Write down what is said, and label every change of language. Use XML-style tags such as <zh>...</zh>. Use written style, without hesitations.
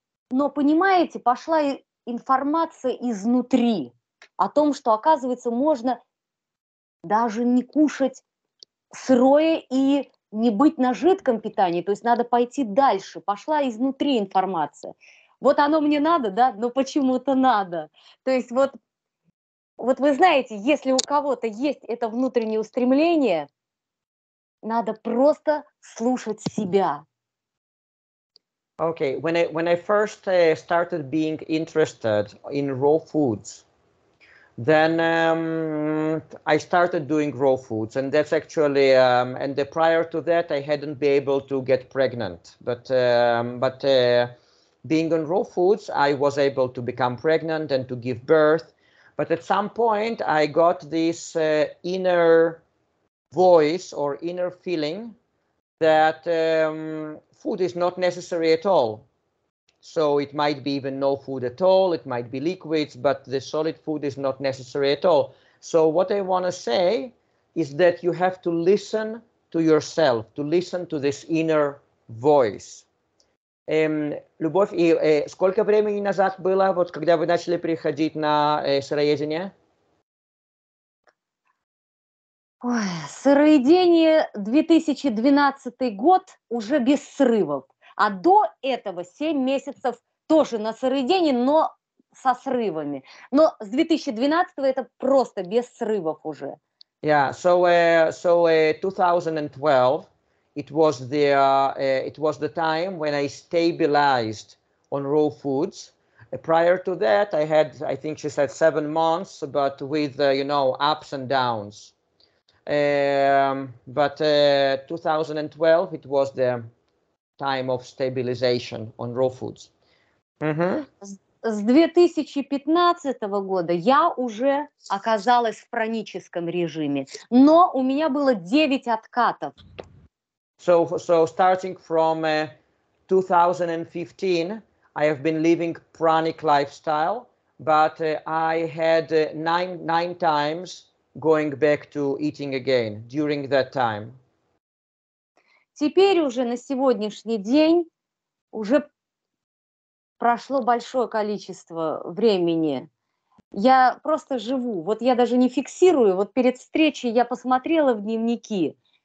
<ru>Но, понимаете, пошла информация изнутри о том, что, оказывается, можно даже не кушать сырое и не быть на жидком питании, то есть надо пойти дальше. Пошла изнутри информация. Вот оно мне надо, да, но почему-то надо. То есть вот вы знаете, если у кого-то есть это внутреннее устремление, надо просто слушать себя.</ru> <en>Okay, when I first started being interested in raw foods, then I started doing raw foods, and that's actually and prior to that I hadn't been able to get pregnant, but being on raw foods I was able to become pregnant and to give birth. But at some point I got this inner voice or inner feeling that food is not necessary at all. So it might be even no food at all, it might be liquids, but the solid food is not necessary at all. So what I want to say is that you have to listen to yourself, to listen to this inner voice.</en> <ru>Любовь, и сколько времени назад было, вот когда вы начали приходить на сыроедение? Ой, сыроедение 2012 год уже без срывов, а до этого 7 месяцев тоже на сыроедении, но со срывами. Но с 2012 это просто без срывов уже.</ru> <en>Yeah, so 2012, it was the time when I stabilized on raw foods. Prior to that, I had, I think she said 7 months, but with, you know, ups and downs. But 2012, it was the time of stabilization on raw foods. Mm-hmm.</en> <ru>С 2015 года я уже оказалась в хроническом режиме, но у меня было 9 откатов.</ru> <en>So starting from 2015, I have been living pranic lifestyle, but I had 9 times going back to eating again during that time.</en> <ru>Теперь уже на сегодняшний день уже прошло большое количество времени. Я просто живу. Вот я даже не фиксирую. Вот перед встречей я посмотрела в дневники.</ru>